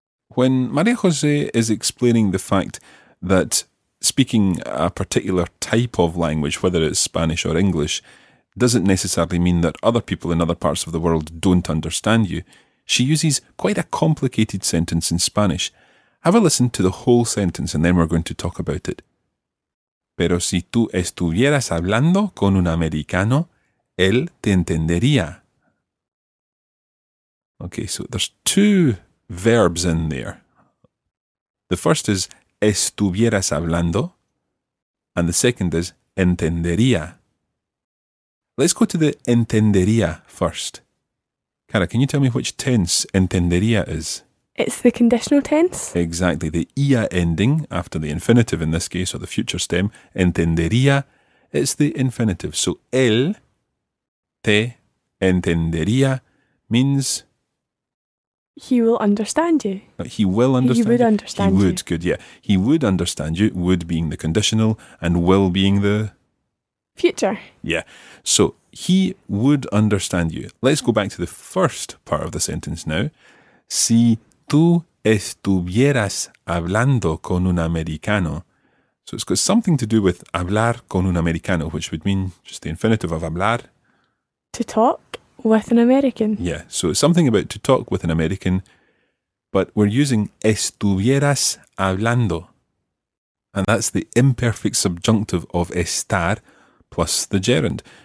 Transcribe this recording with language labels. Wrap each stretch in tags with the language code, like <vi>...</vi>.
<en>When María José is explaining the fact that speaking a particular type of language, whether it's Spanish or English, doesn't necessarily mean that other people in other parts of the world don't understand you, she uses quite a complicated sentence in Spanish. Have a listen to the whole sentence and then we're going to talk about it.</en> <es>Pero si tú estuvieras hablando con un americano, él te entendería.</es> <en>Okay, so there's two verbs in there. The first is estuvieras hablando, And the second is entendería. Let's go to the entendería first. Cara, can you tell me which tense entendería is? It's the conditional tense. Exactly. The ia ending after the infinitive in this case, or the future stem, entendería, it's the infinitive. So él te entendería means... He will understand you. He will understand you. He would you. Understand he you. He would, good, yeah. He would understand you, would being the conditional and will being the... Future. Yeah. So he would understand you. Let's go back to the first part of the sentence now.</en> <es>Si tú estuvieras hablando con un americano.</es> <en>So it's got something to do with hablar con un americano, which would mean just the infinitive of hablar. To talk with an American. Yeah, so it's something about to talk with an American, but we're using estuvieras hablando. And that's the imperfect subjunctive of estar plus the gerund.</en>